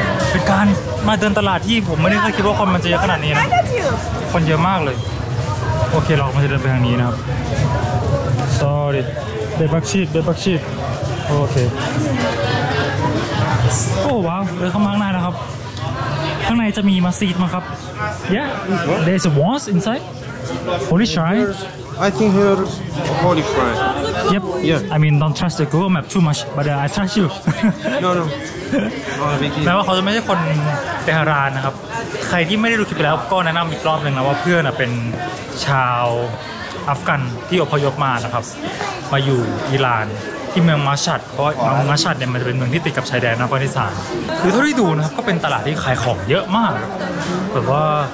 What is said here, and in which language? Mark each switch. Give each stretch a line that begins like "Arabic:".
Thai: เป็นการมาเดินตลาดที่ผมไม่ได้คาดคิดว่าคนมันจะเยอะขนาดนี้นะคนเยอะมากเลยโอเคเรามาเดินไปทางนี้นะครับซอรี่เดบักชีดโอเคโอ้ว้าวเลยเข้ามาข้างในนะครับข้างในจะมีมัสยิดมั้งครับ
English: Yeah there's a mosque inside Holy shrine I think here holy shrine Yep yeah I mean don't trust the Google map too much but I trust you No
Thai: แม้ว่าเขาจะไม่ใช่คนเตหะรานนะครับใครที่ไม่ได้ดูคลิปไปแล้วก็แนะนำอีกรอบนึงนะว่าเพื่อนเป็นชาวอัฟกันที่อพยพมานะครับมาอยู่อิหร่านที่เมืองมัสยิดเพราะเมืองมัสยิดเนี่ยมันจะเป็นเมืองที่ติดกับชายแดนอัฟกานิสถานคือเท่าที่ดูนะครับก็เป็นตลาดที่ขายของเยอะมากแบบว่า